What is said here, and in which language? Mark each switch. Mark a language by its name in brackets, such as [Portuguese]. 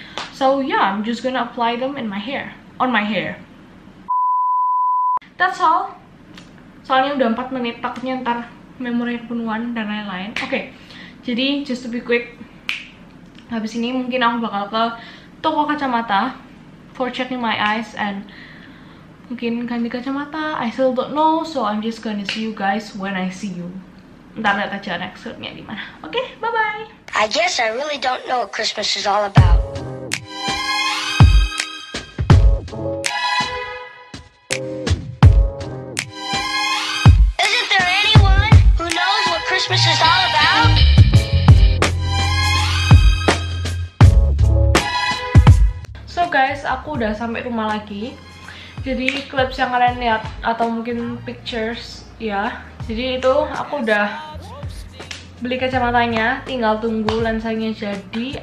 [English] So yeah, I'm just gonna apply them in my hair. On my hair. That's all. [Indonesian] Soalnya udah 4 menit, takutnya ntar memori penuhan dan lain-lain. Oke, jadi [English] just to be quick, [Indonesian] habis ini mungkin aku bakal ke toko kacamata [English] for checking my eyes [Indonesian] and mungkin ganti kacamata. [English] I still don't know, so I'm just gonna see you guys when I see you. [Indonesian] Ntar lihat aja next clipnya di mana. Oke, okay, bye-bye. [English] I guess I really don't know what Christmas is all about. Isn't there anyone who knows what Christmas is all about? [Indonesian] So guys, aku udah sampai rumah lagi. Jadi clips yang kalian lihat atau mungkin pictures ya. Jadi itu aku udah beli kacamatanya, tinggal tunggu lensanya jadi.